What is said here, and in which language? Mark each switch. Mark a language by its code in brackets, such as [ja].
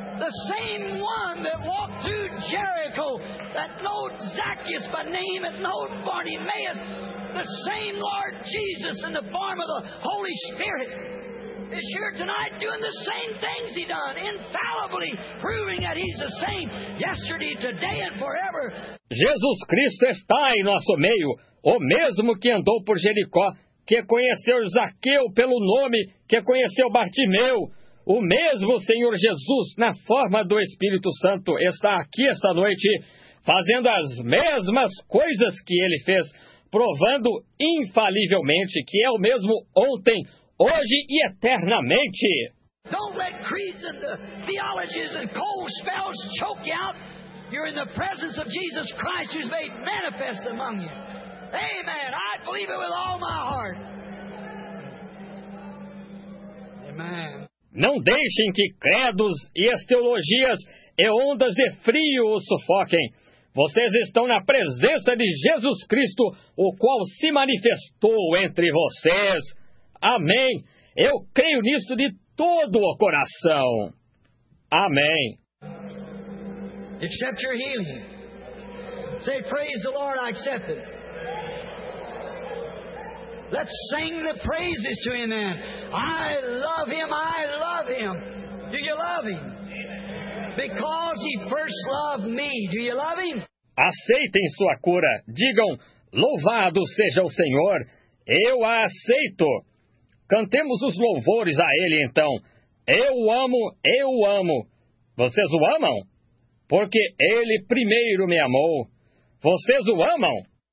[en] The same one that walked through Jericho, that knowed Zacchaeus by name and knowed Bartimaeus, the same Lord Jesus in the form of the Holy Spirit is here tonight doing the same things he done, infallibly proving that he's the same yesterday, today and forever. [pt] Jesus Cristo está em nosso meio, o mesmo que andou por Jericó, que conheceu Zaqueu pelo nome, que conheceu Bartimeu. O mesmo Senhor Jesus, na forma do Espírito Santo, está aqui esta noite, fazendo as mesmas coisas que ele fez, provando infalivelmente que é o mesmo ontem, hoje e eternamente. [en] Don't let creeds and theologies and cold spells choke you out. You're in the presence of Jesus Christ, who's made manifest among you. Amen. I believe it with all my heart. Amen. [pt] Não deixem que credos e as teologias e ondas de frio os sufoquem. Vocês estão na presença de Jesus Cristo, o qual se manifestou entre vocês. Amém. Eu creio nisso de todo o coração. Amém. [en] Accept your healing. Say, praise the Lord, I accept it. Let's sing the praises to Him then. I love Him, I love Him. Do you love Him? Because He first loved me. Do you love Him? [pt] Aceitem sua cura. Digam, louvado seja o Senhor. Eu a aceito. Cantemos os louvores a Ele então. Eu amo. Vocês o amam? Porque Ele primeiro me amou. Vocês o amam?